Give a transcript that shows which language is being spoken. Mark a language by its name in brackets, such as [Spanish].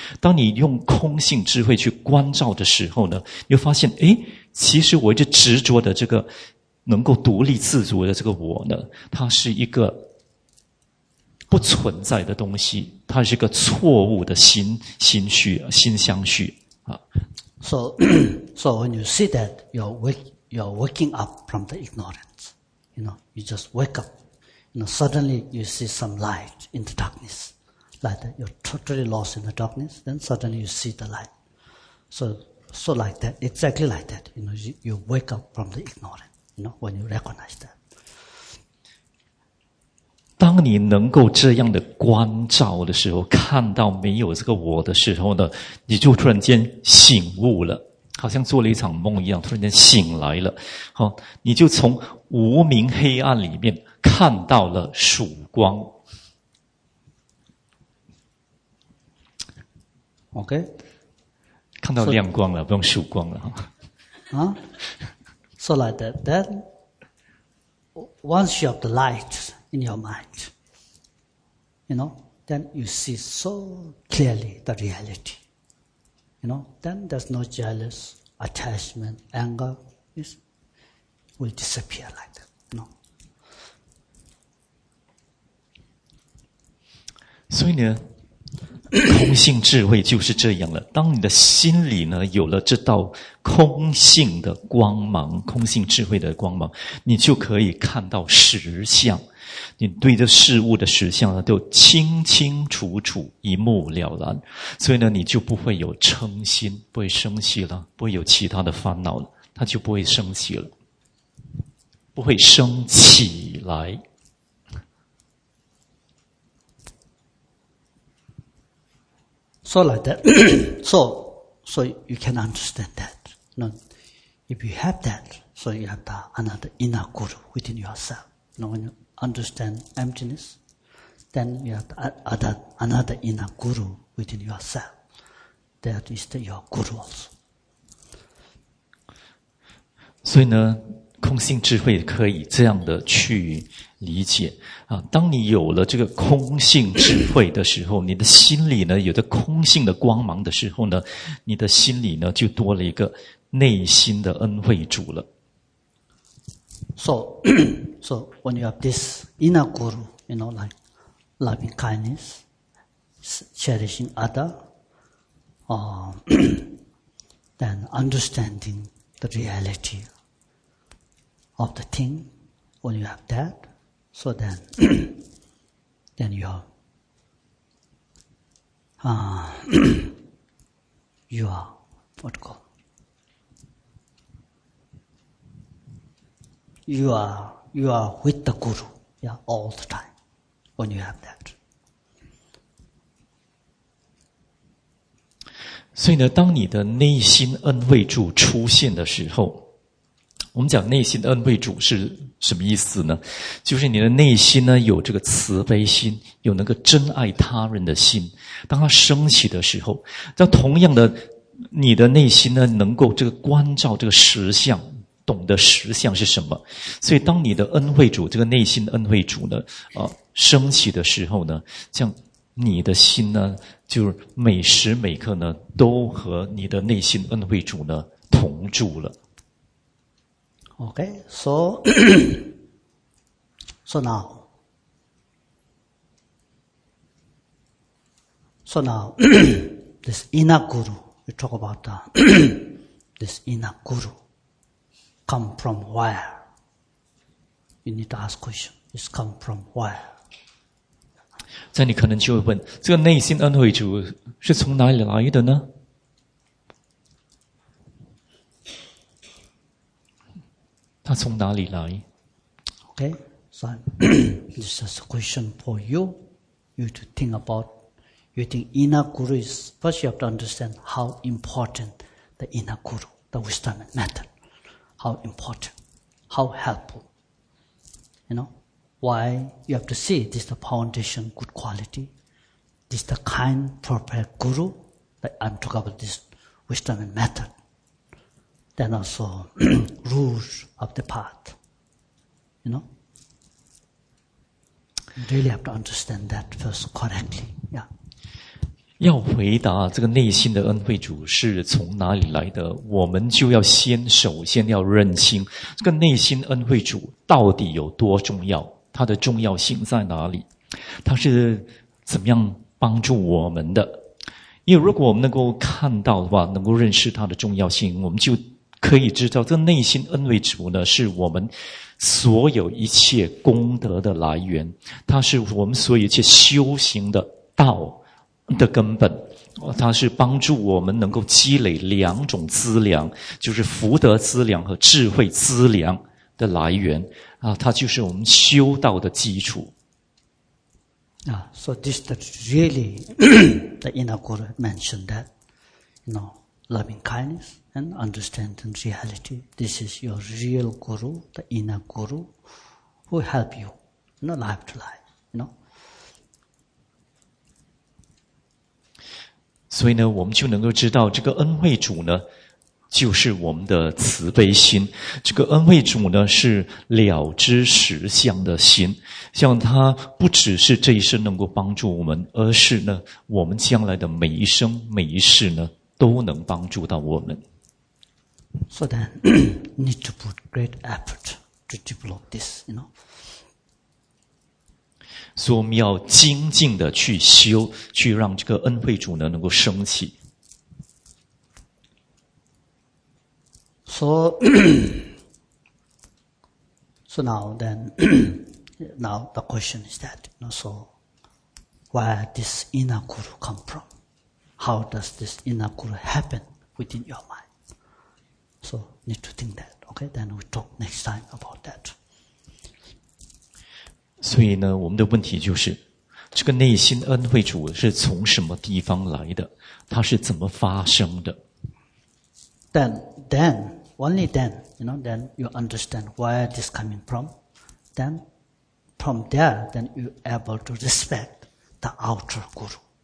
[Chinese] 当你用空性智慧去观照的时候呢，你会发现，诶，其实我一直执着的这个能够独立自主的这个我呢，它是一个不存在的东西，它是一个错误的心虚心相续啊。 [English] So when you see that you're waking up from the ignorance, you know, you just wake up, you know, suddenly you see some light in the darkness, like that, you're totally lost in the darkness, then suddenly you see the light. So like that, exactly like that, you know, you wake up from the ignorance, you know, when you recognize that. [Chinese] 当你能够这样的观照的时候，看到没有这个我的时候呢，你就突然间醒悟了，好像做了一场梦一样，突然间醒来了。好，你就从无明黑暗里面看到了曙光。 [English] OK， [Chinese] 看到亮光了，不用曙光了。 [English] 啊 ，So like that. Then once you have the light. In your mind, you know, then you see so clearly the reality. You know, then there's no jealous, attachment, anger, it will disappear like that. No. [Chinese] 所以呢，空性智慧就是这样了。当你的心里呢有了这道空性的光芒，空性智慧的光芒，你就可以看到实相。你对这事物的实相都清清楚楚一目了然，所以呢，你就不会有嗔心，不会生气了，不会有其他的烦恼了，他就不会生气了，不会生起来。 [English] So like that, so you can understand that. No, if you have that, so you have the another inner guru within yourself. No, when you. Understand emptiness, then you have another inner guru within yourself. That is your guru also. [Chinese] 所以呢，空性智慧可以这样的去理解啊。当你有了这个空性智慧的时候，你的心里呢有着空性的光芒的时候呢，你的心里呢就多了一个内心的恩惠主了。 [English] So when you have this inner guru, you know, like loving kindness, cherishing other, then understanding the reality of the thing, when you have that, so then, then you are, you are what go? You are with the guru, yeah, all the time, when you have that. [Chinese] 所以呢，当你的内心恩惠主出现的时候，我们讲内心恩惠主是什么意思呢？就是你的内心呢有这个慈悲心，有那个真爱他人的心。当它升起的时候，那同样的，你的内心呢能够这个关照这个实相，懂得实相是什么。所以当你的恩惠主这个内心恩惠主呢升起的时候呢，像你的心呢就是每时每刻呢都和你的内心恩惠主呢同住了。 [English] Okay, so, so now, this inner guru, we talk about the, this inner guru, come from where? You need to ask question, it's come from where? [Chinese] 这你可能就会问，这个内心恩惠主是从哪里来的呢？他从哪里来 [English] ？Okay, so this is a question for you. You to think about. You think inner guru is first. You have to understand how important the inner guru, the wisdom method. How important, how helpful. You know why you have to see this is the foundation, good quality. This is the kind, proper guru. Like I'm talking about this wisdom method. Then also rules of the path, you know. You really have to understand that first correctly. Yeah. [Chinese] 要回答这个内心的恩惠主是从哪里来的，我们就要先首先要认清这个内心恩惠主到底有多重要，它的重要性在哪里，它是怎么样帮助我们的。因为如果我们能够看到的话，能够认识它的重要性，我们就可以知道这内心恩惠主呢是我们所有一切功德的来源，它是我们所有一切修行的道的根本，它是帮助我们能够积累两种资粮，就是福德资粮和智慧资粮的来源啊，它就是我们修道的基础啊。 [English] So this is really the inner guru mentioned that, you know, loving kindnessand understanding reality. This is your real guru, the inner guru, who help you, you know, life to life, you know. [Chinese] 所以呢，我们就能够知道这个恩惠主呢，就是我们的慈悲心。这个恩惠主呢，是了知实相的心。像他不只是这一生能够帮助我们，而是呢，我们将来的每一生每一世呢，都能帮助到我们。 [English] So then, need to put great effort to develop this, you know. So we [Chinese] 要精进的去修，去让这个恩惠主呢能够升起。 [English] So now then, now the question is that, you know, so where this inner guru come from? How does this inner guru happen within your mind? So need to think that. Okay, then we talk next time about that. [Chinese] 所以呢，我们的问题就是，这个内心恩惠主是从什么地方来的？它是怎么发生的 [English] ？Then, only then, you know, then you understand where this coming from. Then, from there, then you able to respect the outer guru.